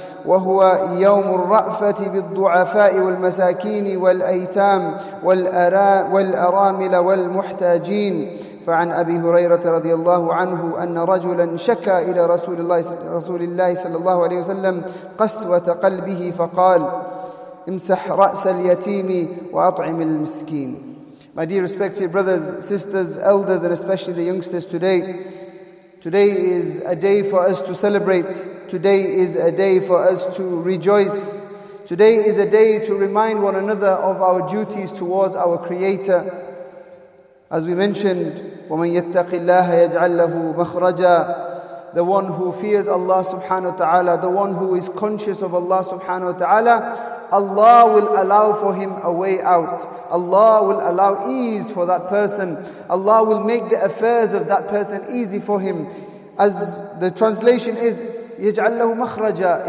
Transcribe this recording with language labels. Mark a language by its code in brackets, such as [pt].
[ar] وهو يوم الرأفة بالضعفاء والمساكين والأيتام والأرامل والمحتاجين. فعن أبي هريرة رضي الله عنه أن رجلا شكى إلى رسول الله صلى الله عليه وسلم قسوة قلبه فقال امسح رأس اليتيم وأطعم المسكين. [en] My dear respected brothers, sisters, elders, and especially the youngsters today, today is a day for us to celebrate. Today is a day for us to rejoice. Today is a day to remind one another of our duties towards our Creator. As we mentioned, [ar] وَمَنْ يَتَّقِ اللَّهَ يَجْعَلْ لَهُ مَخْرَجًا. [en] The one who fears Allah subhanahu wa ta'ala, the one who is conscious of Allah subhanahu wa ta'ala, Allah will allow for him a way out. Allah will allow ease for that person. Allah will make the affairs of that person easy for him. As the translation is, [ar] يَجْعَلْ لَهُ مَخْرَجًا.